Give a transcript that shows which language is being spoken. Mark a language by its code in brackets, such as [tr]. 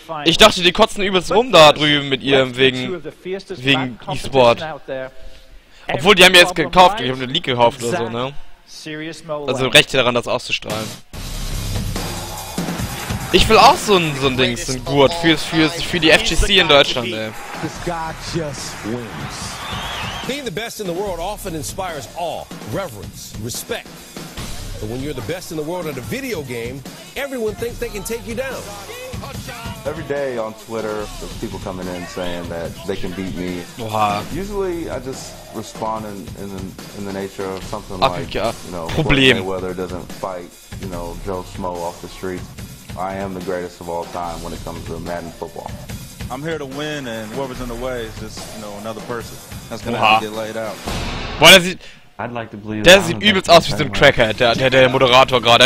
[de] Ich dachte, die kotzen übelst rum da drüben mit ihrem wegen E-Sport. Obwohl, die haben ja jetzt gekauft, ich habe eine League gekauft oder so, ne? Also Rechte daran, das auszustrahlen. Ich will auch so ein Ding, so ein Gurt für die FGC in Deutschland, ey. [en] Being the best in the world often inspires awe, reverence, respect. And when you're the best in the world at a video game, everyone thinks they can take you down. Every day on Twitter, there's people coming in saying that they can beat me. Oha. Usually, I just respond in the nature of something like, Afrika. You know, Problem. Mayweather doesn't fight, you know, Joe Schmo off the street. I am the greatest of all time when it comes to Madden football. I'm here to win, and whoever's in the way is just, you know, another person. That's going to have to get laid out. Why does it... I'd like to believe [de] der sieht übelst aus wie so ein Cracker, der Moderator gerade.